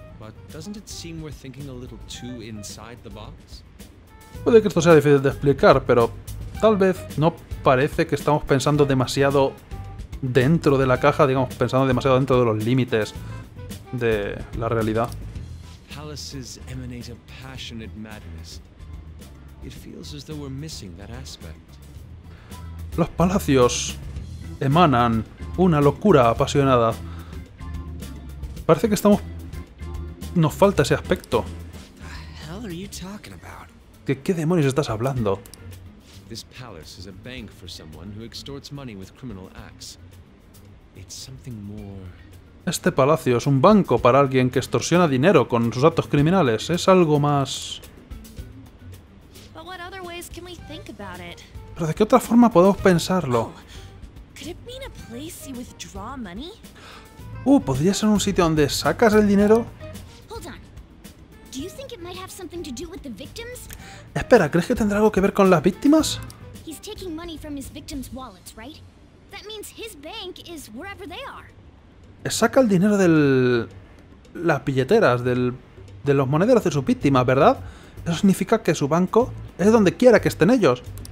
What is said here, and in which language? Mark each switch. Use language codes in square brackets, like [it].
[en] But doesn't it seem we're thinking a little too inside the box? [es] Puede que esto sea difícil de explicar, pero tal vez no parece que estamos pensando demasiado dentro de la caja, digamos, pensando demasiado dentro de los límites de la realidad. [en] Palaces emanate a passionate madness. It feels as though we're missing that aspect. [es] Los palacios emanan una locura apasionada. Parece que estamos... Nos falta ese aspecto. [en] What the hell are you talking about? [es] ¿Qué demonios estás hablando? [en] This palace is a bank for someone who extorts money with criminal acts. It's something more. [es] Este palacio es un banco para alguien que extorsiona dinero con sus actos criminales. Es algo más. [en] But what other ways can we think about it? [es] ¿Pero de qué otra forma podemos pensarlo? [en] Could it mean a place you withdraw money? [es] ¿Podría ser un sitio donde sacas el dinero? [en] Hold on. Do you think it might have something to do with the victims? [es] Espera, ¿crees que tendrá algo que ver con las víctimas? [en] He's taking money from his victims' wallets, right? That means his bank is wherever they are. [es] Saca el dinero de las billeteras, de los monederos de sus víctimas, ¿verdad? Eso significa que su banco es donde quiera que estén ellos.